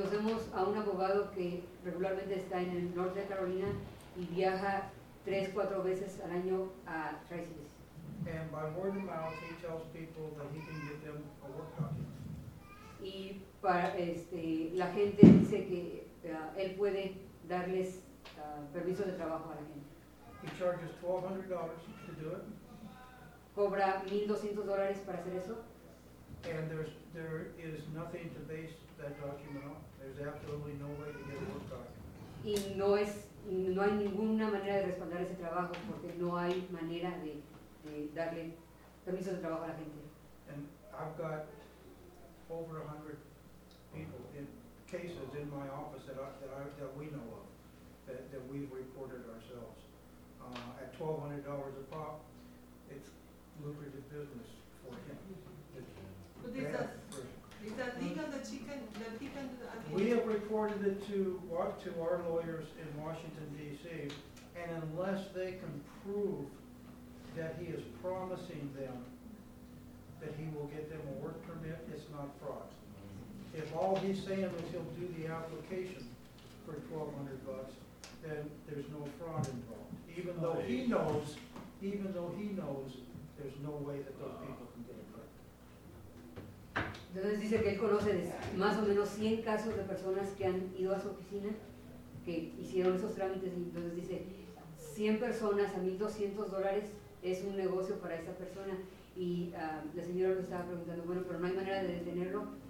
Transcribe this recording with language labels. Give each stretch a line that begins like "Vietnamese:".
Spanish: conocemos a un abogado que regularmente está en el norte de Carolina y viaja 3-4 veces al año a Tri-Cities.
English: And by word of mouth, he tells people that he can get them a work document.
Spanish: Y para la gente dice que él puede darles permiso de trabajo a la gente.
English: He charges $1,200 to do it.
Spanish: Cobra $1,200 para hacer eso.
English: And there is nothing to base that document on. There's absolutely no way to get a work document.
Spanish: Y no es no hay ninguna manera de respaldar ese trabajo porque no hay manera de darle permiso de trabajo a la gente.
English: And I've got over 100 people in cases in my office that we know of that we've reported ourselves. At $1,200 a pop, it's lucrative business for him. But is that legal that he can? We have reported it to our lawyers in Washington, D.C., and unless they can prove that he is promising them that he will get them a work permit, it's not fraud. If all he's saying is he'll do the application for $1,200, then there's no fraud involved. Even though he knows, there's no way that those people can get a permit.
Spanish: Entonces dice que él conoce más o menos 100 casos de personas que han ido a su oficina, que hicieron esos trámites, y entonces dice, 100 personas a $1,200 es un negocio para esa persona. Y la señora lo estaba preguntando, bueno, pero no hay manera de detenerlo.